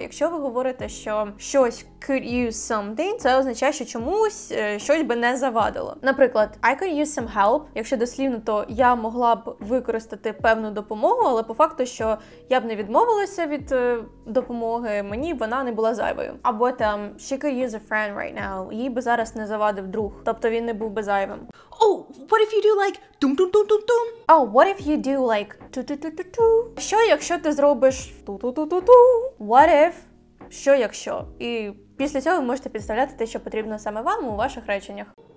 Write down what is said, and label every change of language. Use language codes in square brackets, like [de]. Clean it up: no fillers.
[uk] Якщо ви говорите, що щось could use something, це означає, що чомусь щось би не завадило. [en] Наприклад, I could use some help. [uk] Якщо дослівно, то я могла б використати певну допомогу, але по факту, що я б не відмовилася від допомоги, мені б вона не була зайвою. [en] Або там, she could use a friend right now. [uk] Їй би зараз не завадив друг. Тобто він не був би зайвим. [en] Oh, what if you do like тум-тум-тум-тум-тум? Oh, what if you do like ту-ту-ту-ту-ту? [uk] Що якщо ти зробиш ту-ту-ту-ту-ту? [en] What if? [uk] Що якщо? І після цього ви можете підставляти те, що потрібно саме вам у ваших реченнях.